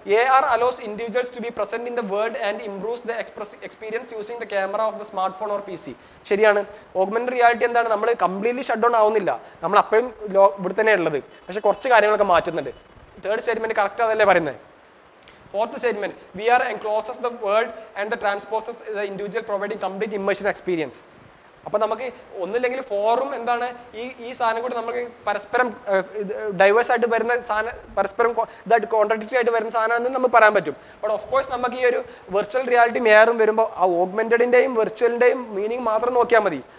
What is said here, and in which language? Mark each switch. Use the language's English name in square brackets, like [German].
[English] A R allows individuals to be present in the world and improves the experience using the camera of the smartphone or P C. [Malayalam] ശരിയാണ്. Augmented reality എന്താണ്, നമ്മൾ completely shut down ആവുന്നില്ല, നമ്മൾ അപ്പോഴും ഇവിടെ തന്നെ ഉള്ളത്, പക്ഷേ കുറച്ച് കാര്യങ്ങളൊക്കെ മാറ്റുന്നുണ്ട്. തേർഡ് സ്റ്റേറ്റ്മെന്റ് കറക്റ്റ് അതല്ലേ പറയുന്നത്? [English] Fourth statement, we are encloses the world and the transposes the individual providing complete immersion experience. [Malayalam] അപ്പോൾ നമുക്ക് ഒന്നില്ലെങ്കിൽ ഫോറും എന്താണ് ഈ ഈ സാധനം കൂടി നമുക്ക് പരസ്പരം ഡൈവേഴ്സ് ആയിട്ട് വരുന്ന സാധനം, പരസ്പരം ഇതായിട്ട് കോൺട്രഡിക്ടറി ആയിട്ട് വരുന്ന സാധനമാണെന്ന് നമുക്ക് പറയാൻ പറ്റും. ബട്ട് ഓഫ്കോഴ്സ് നമുക്ക് ഈ ഒരു വെർച്വൽ റിയാലിറ്റി മേയറും വരുമ്പോൾ ആ ഓഗ്മെന്റഡിൻ്റെയും വെർച്വലിൻ്റെയും മീനിങ് മാത്രം നോക്കിയാൽ മതി.